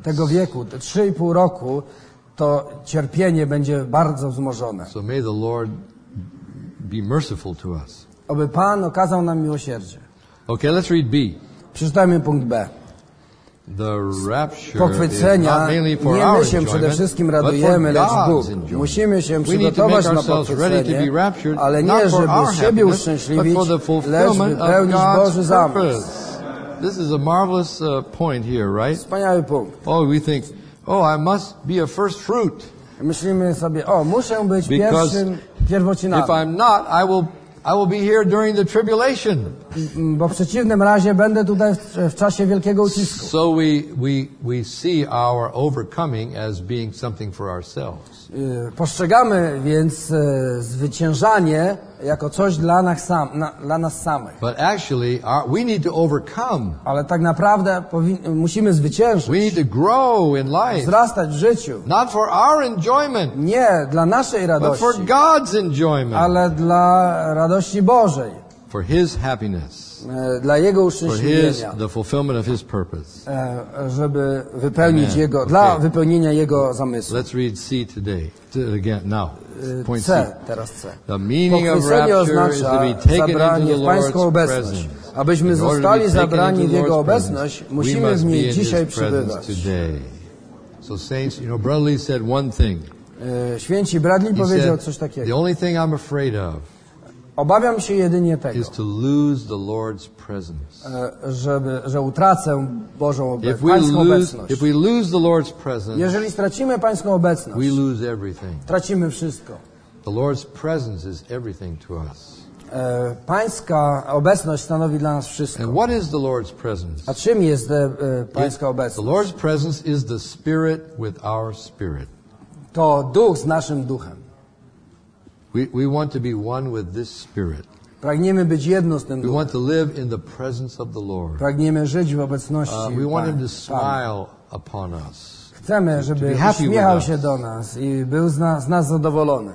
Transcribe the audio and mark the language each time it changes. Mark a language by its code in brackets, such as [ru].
[pl] Tego wieku, te 3,5 roku, to cierpienie będzie bardzo wzmożone. [en] So may the Lord be merciful to us. [pl] Oby Pan okazał nam miłosierdzie. [en] Okay, let's read B. [pl] Przeczytajmy punkt B. [en] the rapture [pl] pochwycenia, [en] is not mainly for [pl] nie my się [en] our [pl] przede lecz Bóg. Musimy się przygotować na pochwycenie, raptured, ale nie, żeby siebie uszczęśliwić, lecz wypełnić Boży zamysł. [en] This is a marvelous point here, right? [pl] Wspaniały punkt. [en] Oh, we think, oh, I must be a first fruit. [pl] Myślimy sobie, o, muszę być pierwszym, pierwocinami. [en] If I'm not, I will be here during the tribulation. [pl] Bo w przeciwnym razie będę tutaj w czasie wielkiego ucisku. [en] So we see our overcoming as being something for ourselves. [pl] Postrzegamy więc zwyciężanie jako coś dla nas samych. [en] But actually, we need to overcome. [pl] Ale tak naprawdę musimy zwyciężyć. [en] We need to grow in life. [pl] Wzrastać w życiu. [en] Not for our enjoyment. [pl] Nie dla naszej radości. [en] But for God's enjoyment. [pl] Ale dla radości Bożej. [en] For His happiness. [pl] Dla Jego uszczęśliwienia. [en] For the fulfillment of His purpose. [pl] Żeby wypełnić [en] Amen. [pl] Jego, okay. Dla wypełnienia Jego zamysłu. [en] Let's read C today. Again, now. Point C. The meaning of rapture [pl] oznacza [en] is to be taken into the Lord's presence. [pl] Abyśmy zostali zabrani w Jego obecność, musimy w niej dzisiaj przebywać. [en] Today. So saints, you know, Bradley said one thing. [pl] Święci Bradley powiedział coś takiego. [en] The only thing I'm afraid of. [pl] Obawiam się jedynie tego, [en] is to lose the Lord's presence. [pl] Że utracę Bożą obecność. Jeżeli stracimy Pańską obecność, [en] we lose everything. [pl] Tracimy wszystko. [en] The Lord's presence is everything to us. [pl] Pańska obecność stanowi dla nas wszystko. [en] And what is the Lord's presence? [pl] A czym jest Pańska obecność? [en] The Lord's presence is the Spirit with our spirit. [pl] To Duch z naszym Duchem. [en] We want to be one with this spirit. [pl] Pragniemy być jedno z tym duchem. [en] We want to live in the presence of the Lord. [pl] Pragniemy żyć w obecności Pana. [en] We want him to smile upon us. [pl] Chcemy, żeby uśmiechał się do nas i był z nas zadowolony.